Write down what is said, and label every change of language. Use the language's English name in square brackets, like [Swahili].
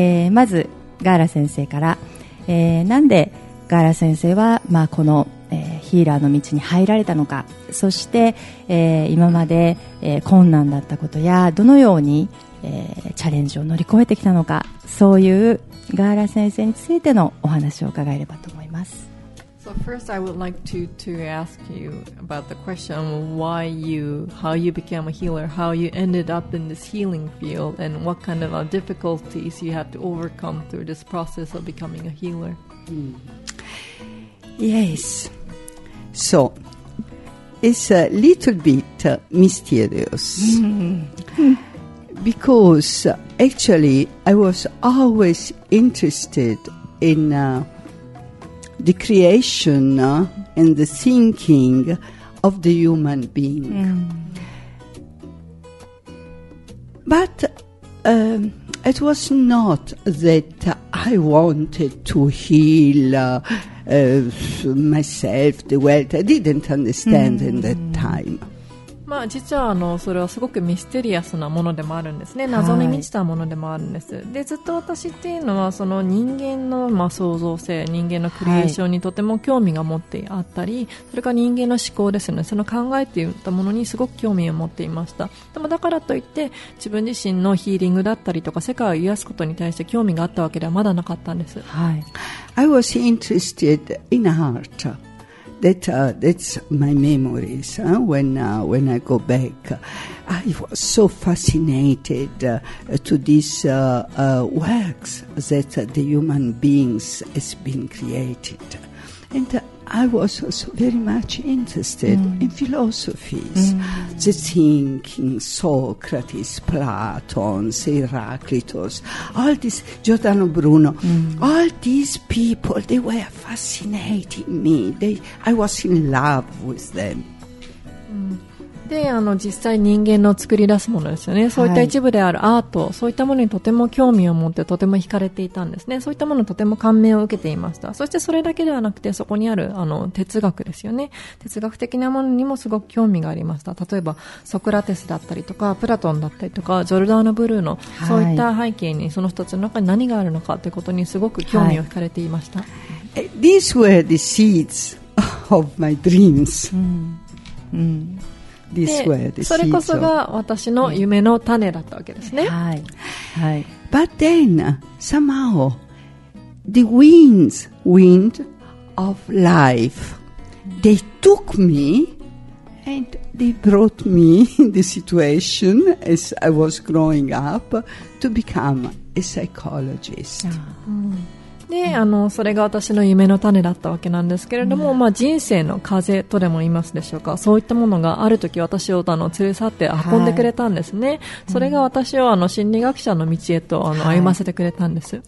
[Japanese] まずガーラ先生から、なんでガーラ先生は、この、ヒーラーの道に入られたのか、そして、今まで、困難だったことやどのように、チャレンジを乗り越えてきたのか、そういうガーラ先生についてのお話を伺えればと思います。 [English] So first I would like to ask you about the question why you, how you became a healer, how you ended up in this healing field and what kind of difficulties you have to overcome through this process of becoming a healer. Yes, so it's a little bit mysterious because actually I was always interested in the creation and the thinking of the human being. But it was not that I wanted to heal myself, the world. I didn't understand in that time. [Japanese] まあ、実はそれはすごくミステリアスなものでもあるんですね。謎に満ちたものでもあるんです、はい、でずっと私っていうのはその人間の創造性、人間のクリエーションにとても興味が持ってあったり、はい、それから人間の思考ですよね、その考えといったものにすごく興味を持っていました。でもだからといって自分自身のヒーリングだったりとか世界を癒すことに対して興味があったわけではまだなかったんです、はい、 [English] I was interested in heartThat, that's my memories when I go back. I was so fascinated to these works that the human beings has been created. And I was also very much interested in philosophies, the thinking, Socrates, Platon, Heraclitus, all this, Giordano Bruno, all these people, they were fascinating me. I was in love with them. [Japanese] で、あの、実際人間の作り出すものですよね。そういった一部であるアート、はい、そういったものにとても興味を持ってとても惹かれていたんですね。そういったものにとても感銘を受けていました。そしてそれだけではなくて、そこにあるあの哲学ですよね。哲学的なものにもすごく興味がありました。例えばソクラテスだったりとか、プラトンだったりとか、ジョルダーノ・ブルーノ、はい、そういった背景にその人たちの中に何があるのかということにすごく興味を惹かれていました。 [English] はい、These were the seeds of my dreams. [Japanese] それこそが私の夢の種だったわけですね。はい。はい。 [English] But then, somehow, the wind of life, they took me and they brought me in the situation as I was growing up to become a psychologist. [Japanese] で、あの、それが私の夢の種だったわけなんですけれども、まあ、人生の風とでも言いますでしょうか、そういったものがある時私をあの連れ去って運んでくれたんですね、はい、それが私をあの心理学者の道へとあの歩ませてくれたんです、